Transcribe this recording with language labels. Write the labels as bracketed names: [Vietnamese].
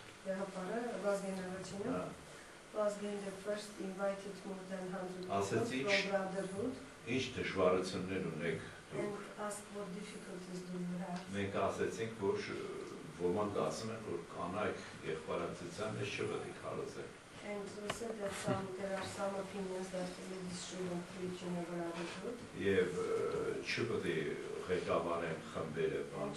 [English] Եղբայրը Վազգեն Ավաչինյան, Վազգեն the first invited more than 100 people from Brotherhood. [Armenian] Ինչ դժվարություններ ունեք դուք։ [English] Ask what difficulties do you have. [Armenian] Մենք ասեցինք, որ ոմանք ասում են, որ կանայք եղբայրակցության մեջ չպետք է քարոզեն։ [English] And we said that there are some opinions that ladies shouldn't preach in a Brotherhood. [Armenian] Եվ չի պետք ղեկավարեն խմբերը, բան։